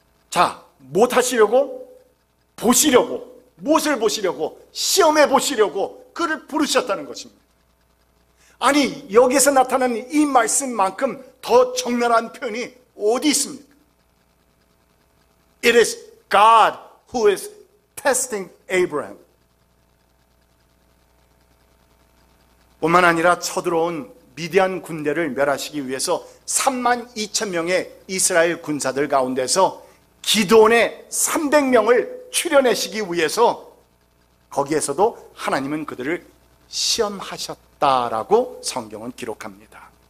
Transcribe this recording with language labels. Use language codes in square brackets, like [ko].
[ko] 자, 못 하시려고? 보시려고. 무엇을 보시려고? 시험해 보시려고 그를 부르셨다는 것입니다. 아니, 여기서 나타난 이 말씀만큼 더 적나라한 표현이 어디 있습니까? [en] It is God who is testing Abraham. [ko] 뿐만 아니라 쳐들어온 미디안 군대를 멸하시기 위해서 3만 2천 명의 이스라엘 군사들 가운데서 기드온의 300명을 추려내시기 위해서 거기에서도 하나님은 그들을 시험하셨다라고 성경은 기록합니다.